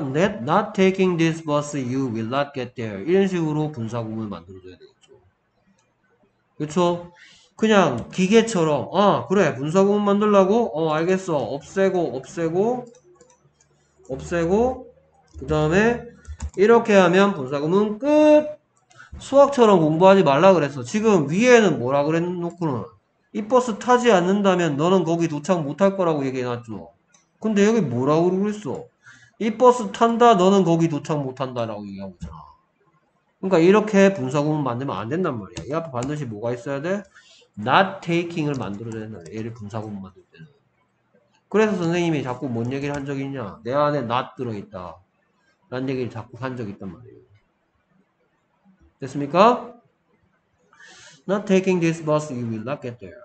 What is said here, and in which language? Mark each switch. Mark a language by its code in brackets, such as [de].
[en] Not taking this bus, you will not get there. [ko] 이런 식으로 분사구문을 만들어줘야 되겠죠. 그쵸? 그냥 기계처럼, 아, 그래, 분사구문 만들라고? 어, 알겠어. 없애고, 그 다음에, 이렇게 하면 분사구문 끝! 수학처럼 공부하지 말라 그랬어. 지금 위에는 뭐라 그랬 놓고는. 이 버스 타지 않는다면 너는 거기 도착 못할 거라고 얘기해놨죠. 근데 여기 뭐라고 그랬어? 이 버스 탄다, 너는 거기 도착 못한다라고 얘기하고 있잖아. 그러니까 이렇게 분사구문 만들면 안 된단 말이야. 이 앞에 반드시 뭐가 있어야 돼? [en] Not taking [ko] 을 만들어야 된다. 얘를 분사구문 만들 때는. 그래서 선생님이 자꾸 뭔 얘기를 한 적이 있냐? 내 안에 not 들어있다. 라는 얘기를 자꾸 한 적이 있단 말이에요. 됐습니까? [en] Not taking this bus, you will not get there.